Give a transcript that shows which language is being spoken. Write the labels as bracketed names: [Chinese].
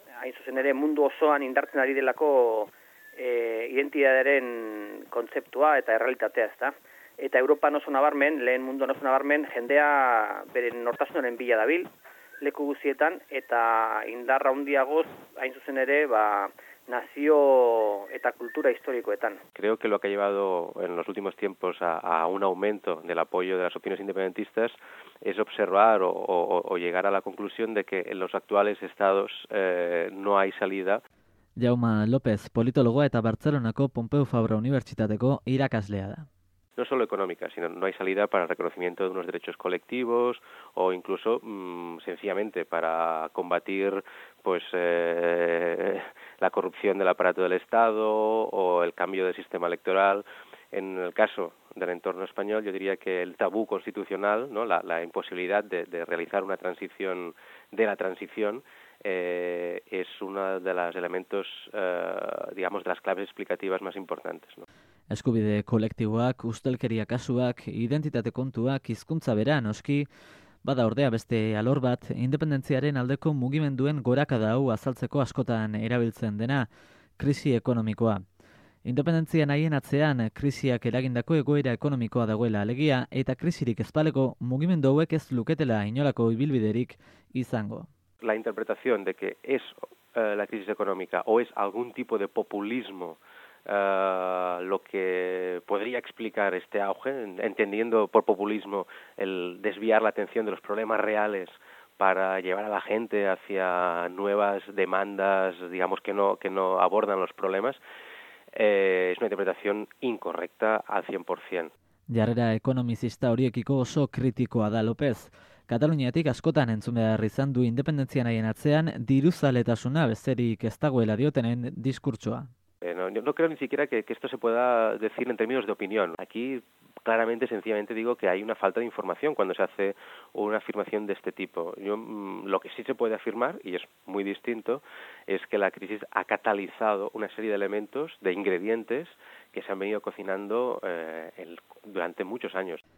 [Basque] Hain zuzen ere mundu osoan indartzen ari delako identitatearen kontzeptua eta errealitatea, ezta? Eta Europa oso nabarmen, lehen mundu oso nabarmen, jendea bere nortasunaren bila dabil, leku guztietan, eta indarra handiagoz, hain zuzen ere, ba, nazio eta kultura historikoetan. [Spanish] Creo que lo que ha llevado en los últimos tiempos a un aumento del apoyo de las opiniones independentistas es observar o llegar a la conclusión de que en los actuales estados no hay salida. [Basque] Jaume López, politologoa eta Bartzelonako Pompeu Fabra Unibertsitateko irakaslea da. [Spanish] No solo económica, sino no hay salida para el reconocimiento de unos derechos colectivos o incluso sencillamente para combatir pues la corrupción del aparato del Estado o el cambio del sistema electoral. En el caso del entorno español, yo diría que el tabú constitucional, ¿no? La imposibilidad de realizar una transición de la transición es uno de los elementos, digamos, de las claves explicativas más importantes, ¿no? [Basque] Eskubide kolektiboak, ustelkeria kasuak, identitate kontuak, hizkuntza bera noski, bada ordea beste alor bat, independentziaren aldeko mugimenduen gorakada hau azaltzeko askotan erabiltzen dena, krisi ekonomikoa. Independentzia nahien atzean, krisiak eragindako egoera ekonomikoa dagoela alegia, eta krisirik ezpaleko mugimendu hauek ez luketela inolako ibilbiderik izango. [Spanish] la interpretación de que es la crisis económica o es algún tipo de populismo lo que podría explicar este auge, entendiendo por populismo el desviar la atención de los problemas reales para llevar a la gente hacia nuevas demandas, digamos, que no abordan los problemas, es una interpretación incorrecta al 100%. [Basque] Jarrera ekonomizista horiekiko oso kritikoa da López. Kataluniatik askotan entzun behar izan du independentzia nahien atzean diruzaletasuna besterik ez dagoela diotenen diskurtsoa. [Spanish] No creo ni siquiera que esto se pueda decir en términos de opinión. Aquí claramente, sencillamente digo que hay una falta de información cuando se hace una afirmación de este tipo. Yo, lo que sí se puede afirmar, y es muy distinto, es que la crisis ha catalizado una serie de elementos, de ingredientes, que se han venido cocinando durante muchos años.